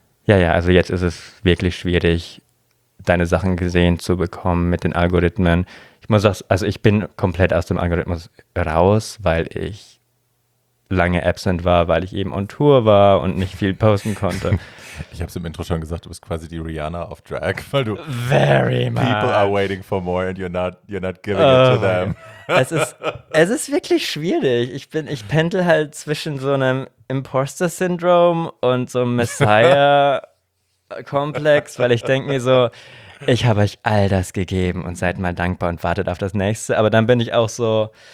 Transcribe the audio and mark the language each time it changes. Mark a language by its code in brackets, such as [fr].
[de] Ja, also jetzt ist es wirklich schwierig, deine Sachen gesehen zu bekommen mit den Algorithmen. Ich muss sagen, also ich bin komplett aus dem Algorithmus raus, weil ich lange absent war, weil ich eben on Tour war und nicht viel posten konnte. Ich habe es im Intro schon gesagt, du bist quasi die Rihanna auf Drag, weil du [en] very much. People are waiting for more and you're not giving it to them. [de] Es ist wirklich schwierig. Ich pendel halt zwischen so einem Imposter-Syndrom und so einem Messiah-Komplex, weil ich denke mir so, ich habe euch all das gegeben und seid mal dankbar und wartet auf das Nächste. Aber dann bin ich auch so,